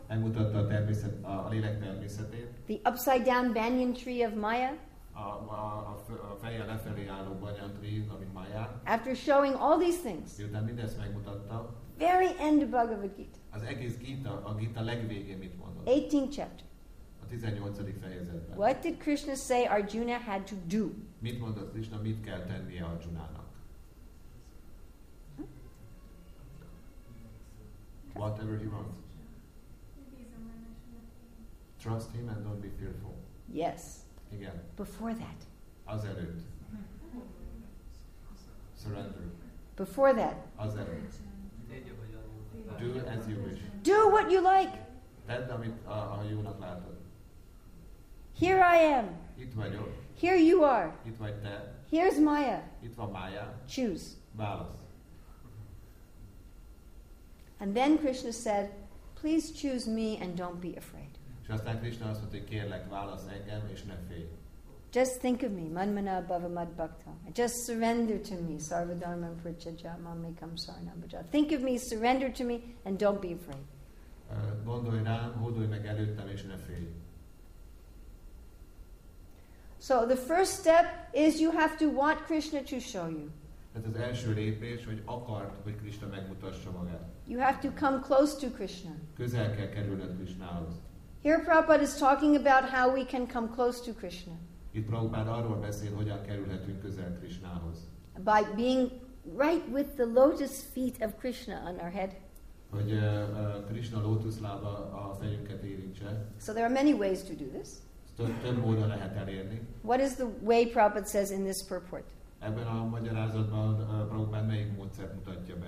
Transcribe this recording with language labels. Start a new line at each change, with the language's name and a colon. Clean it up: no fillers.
Hungarian: Megmutatta a természet, a lélek természetét.
English: The upside-down banyan tree of Maya.
Hungarian: A fejjel lefelé álló banyan tree, ami Maya.
English: After showing all these things.
Hungarian: Miután mindezt megmutatta.
English: Very end of Bhagavad Gita.
Hungarian: Az egész Gita, a Gita legvégén mit mondott?
English: 18th chapter.
Hungarian: A 18. fejezetben.
English: What did Krishna say Arjuna had to do?
Hungarian: Mit mondott Krishna, mit kell tennie Arjunának?
English: Whatever he wants. Trust him and don't be fearful. Yes. Again. Before that.
Hungarian: Az előtt.
English: Surrender. Before that. Azen. Do as you wish. Do what you like.
Hungarian: Tedd, amit jónak látod.
English: Here I am.
Hungarian: Itt vagyok.
English: Here you are.
Hungarian: Itt vagy te.
English: Here's Maya.
Hungarian: Itt van Maya.
English: Choose.
Hungarian: Válasz.
English: And then Krishna said, please choose me and don't be afraid.
Hungarian: És aztán Krishna azt mondta, hogy kérlek, válasz engem, és ne félj.
English: Just think of me,
Sanskrit: manmana bhava mad bhakta.
English: Just surrender to me,
Sanskrit: sarvadharma prachaja mamekam sarnam bhaja.
English: Think of me, surrender to me, and don't be afraid.
Hungarian: Gondolj rám, hódolj meg előttem, és ne félj.
English: So the first step is you have to want Krishna to show you.
Hungarian: Tehát az első lépés, hogy akart, hogy Krishna megmutassa magát.
English: You have to come close to Krishna.
Hungarian: Közel kell kerülnöd Krishnához.
English: Here Prabhupada is talking about how we can come close to Krishna.
Hungarian: Itt Prabhupada arról beszél, hogyan kerülhetünk közel Krishnához.
English: By being right with the lotus feet of Krishna on our head.
Hungarian: Hogy Krishna lótuszlába a fejünket érintse.
English: So there are many ways to do this.
Hungarian: Több módon lehet elérni.
English: What is the way Prabhupada says in this purport?
Hungarian: Ebben a magyarázatban Prabhupada melyik módszert mutatja be?